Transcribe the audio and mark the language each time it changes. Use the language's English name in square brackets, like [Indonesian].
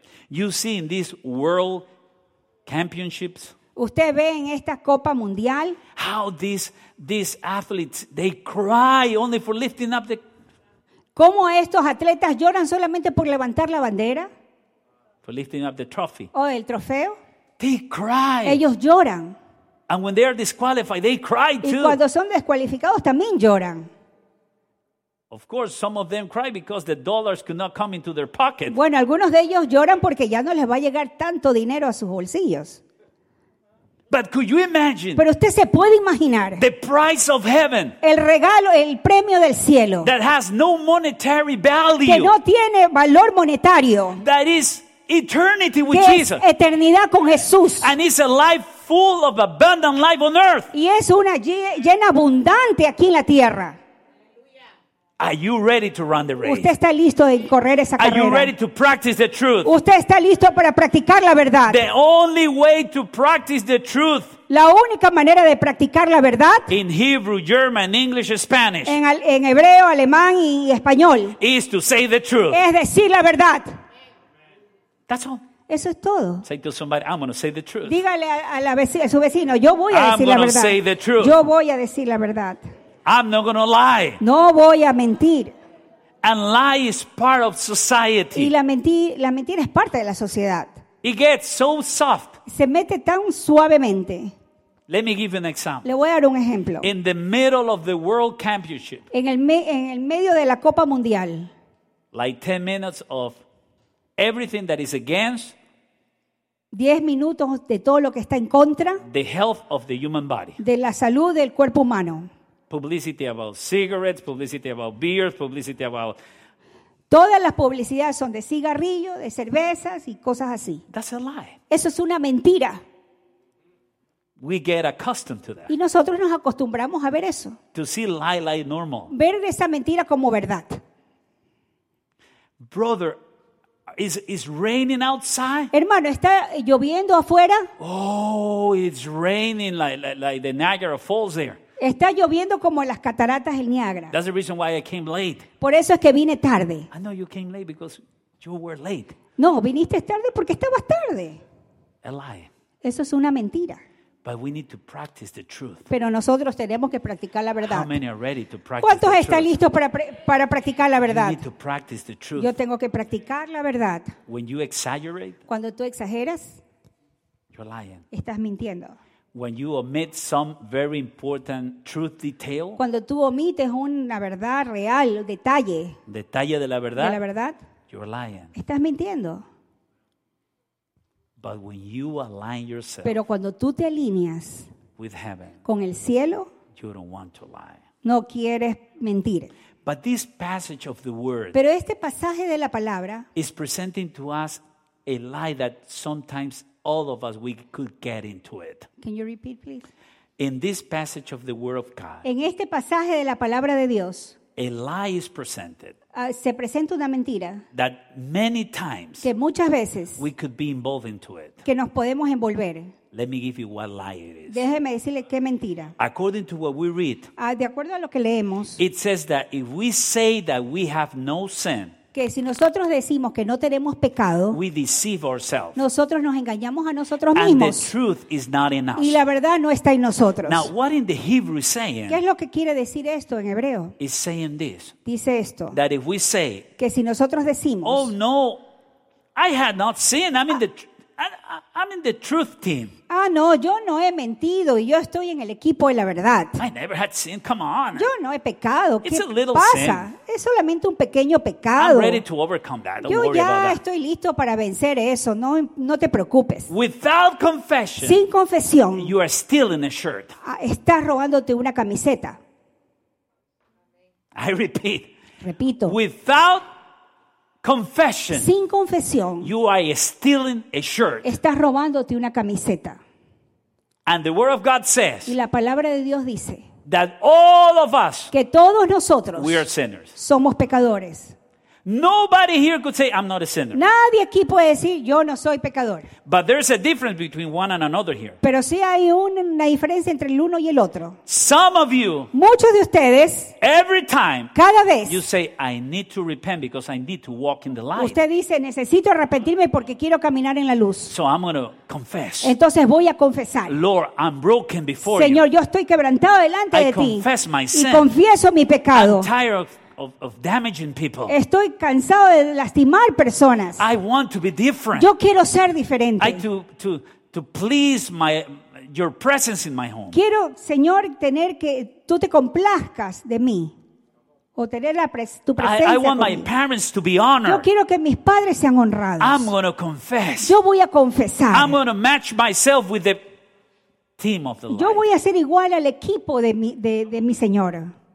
[English] You see in these world championships. [Spanish] Usted ve en esta Copa Mundial. [English] How these athletes they cry only for lifting up the. [Spanish] ¿Cómo estos atletas lloran solamente por levantar la bandera? [English] For lifting up the trophy. [Spanish] O el trofeo. [English] They cry. [Spanish] Ellos lloran. [English] And when they are disqualified, they cry too. [Spanish] Y cuando son descualificados también lloran. [English] Of course, some of them cry because the dollars could not come into their pocket. [Spanish] Bueno, algunos de ellos lloran porque ya no les va a llegar tanto dinero a sus bolsillos. [English] But could you imagine? [Spanish] Pero usted se puede imaginar. [English] The price of heaven. [Spanish] El regalo, el premio del cielo. [English] That has no monetary value. [Spanish] Que no tiene valor monetario. [English] That is eternity with Jesus. [Spanish] Que es eternidad con Jesús. [English] And it's a life full of abundant life on earth. [Spanish] Y es una llena abundante aquí en la tierra. [English] Are you ready to run the race? [Spanish] ¿Usted está listo de correr esa carrera? [English] Are you ready to practice the truth? [Spanish] ¿Usted está listo para practicar la verdad? [English] The only way to practice the truth. [Spanish] La única manera de practicar la verdad. [English] In Hebrew, German, English, Spanish. [Spanish] En hebreo, alemán y español. [English] Is to say the truth. [Spanish] Es decir la verdad. [English] That's all. [Spanish] Eso es todo. [English] Say to somebody, I'm going to say the truth. [Spanish] Dígale a su vecino, yo voy a decir [English] I'm [Spanish] la verdad. [English] Say the truth. [Spanish] Yo voy a decir la verdad. [English] I'm not gonna lie. [Spanish] No voy a mentir. [English] And lie is part of society. [Spanish] Y la mentira es parte de la sociedad. [English] It gets so soft. [Spanish] Se mete tan suavemente. [English] Let me give you an example. [Spanish] Le voy a dar un ejemplo. [English] In the middle of the World Championship. [Spanish] En el medio de la Copa Mundial. [English] Like 10 minutes of everything that is against. [Spanish] 10 minutos de todo lo que está en contra. [English] The health of the human body. [Spanish] De la salud del cuerpo humano. [English] Publicity about cigarettes, publicity about beers, publicity about. [Spanish] Todas las publicidades son de cigarrillo, de cervezas y cosas así. [English] That's a lie. [Spanish] Eso es una mentira. [English] We get accustomed to that. [Spanish] Y nosotros nos acostumbramos a ver eso. [English] To see lie like normal. [Spanish] Ver esa mentira como verdad. [English] Brother, is raining outside? [Spanish] Hermano, ¿está lloviendo afuera? [English] Oh, it's raining like the Niagara Falls there. [Spanish] Está lloviendo como las cataratas del Niágara. [English] That's the reason why I came late. [Spanish] Por eso es que vine tarde. [English] I know you came late because You were late. [Spanish] No, viniste tarde porque estabas tarde. [English] A lie. [Spanish] Eso es una mentira. [English] But we need to practice the truth. [Spanish] Pero nosotros tenemos que practicar la verdad. [English] How many are ready to practice? [Spanish] ¿Cuántos están [English] the truth? [Spanish] Listos para practicar la verdad? [English] You need to practice the truth. [Spanish] Yo tengo que practicar la verdad. [English] When you exaggerate, [Spanish] cuando tú exageras, [English] you're lying. [Spanish] Estás mintiendo. [English] When you omit some very important truth detail, [Spanish] cuando tú omites una verdad real, detalle, detalle de la verdad, de la verdad, [English] you're lying. [Spanish] Estás mintiendo. [English] But when you align yourself, [Spanish] pero cuando tú te alineas [English] with heaven, [Spanish] con el cielo, [English] you don't want to lie. [Spanish] No quieres mentir. [English] But this passage of the word, [Spanish] pero este pasaje de la palabra, [English] is presenting to us a lie that sometimes all of us we could get into it. Can you repeat, please? In this passage of the word of God, [Spanish] en este pasaje de la palabra de Dios, [English] a lie is presented. [Spanish] Se presenta una mentira [English] that many times [Spanish] que muchas veces [English] we could be involved into it. [Spanish] Que nos podemos envolver. [English] Let me give you what lie it is. [Spanish] Déjeme decirle qué mentira. [English] According to what we read, [Spanish] de acuerdo a lo que leemos, [English] it says that if we say that we have no sin, [Spanish] que si nosotros decimos que no tenemos pecado, [English] we deceive ourselves. [Spanish] Nosotros nos engañamos a nosotros mismos. [English] And the truth is not in us. [Spanish] Y la verdad no está en nosotros. [English] Now, what in the Hebrew is saying, [Spanish] ¿qué es lo que quiere decir esto en hebreo? [English] Is saying this, [Spanish] dice esto. [English] That if we say, [Spanish] que si nosotros decimos, [English] oh no, I had not sinned. I'm in the truth team. [Spanish] Ah, no, yo no he mentido y yo estoy en el equipo de la verdad. [English] I never had sin. Come on. [Spanish] Yo no he pecado. ¿Qué [English] it's a little [Spanish] pasa? [English] Sin. [Spanish] Es solamente un pequeño pecado. [English] I'm ready to overcome that. Don't [Spanish] yo [English] worry [Spanish] ya [English] about that. [Spanish] Estoy listo para vencer eso. No, no te preocupes. [English] Without confession, [Spanish] sin confesión, [English] you are still in a shirt. [Spanish] Estás robándote una camiseta. [English] I repeat. [Spanish] Repito. [English] Without confession, [Spanish] sin confesión, [English] you are stealing a shirt. [Spanish] Estás robándote una camiseta. [English] And the word of God says, [Spanish] y la palabra de Dios dice, [English] that all of us, [Spanish] que todos nosotros, [English] we are sinners. [Spanish] Somos pecadores. [English] Nobody here could say I'm not a sinner. [Spanish] Nadie aquí puede decir yo no soy pecador. [English] But there's a difference between one and another here. [Spanish] Pero sí hay una diferencia entre el uno y el otro. [English] Some of you, [Spanish] muchos de ustedes, [English] every time, [Spanish] cada vez, [English] you say I need to repent because I need to walk in the light. [Spanish] Usted dice necesito arrepentirme porque quiero caminar en la luz. [English] So I'm going to confess. [Spanish] Entonces voy a confesar. [English] Lord, I'm broken before [Spanish] Señor, [English] you. [Spanish] Señor, yo estoy quebrantado delante [English] I [Spanish] de ti. [English] I confess my sin. [Spanish] Y confieso mi pecado. [English] I'm tired of damaging people. [Spanish] Estoy cansado de lastimar personas. [English] I want to be different. [Spanish] Yo quiero ser diferente. [English] I to please my your presence in my home. [Spanish] Quiero, Señor, tener que tú te complazcas de mí. O tener tu presencia. [English] I want my parents to be honored. [Spanish] Yo quiero que mis padres sean honrados. [English] I'm going to confess. [Spanish] Yo voy a confesar. [English] I'm going to match myself with the team of the Lord. [Spanish] Yo voy a ser igual al equipo de mi Señor.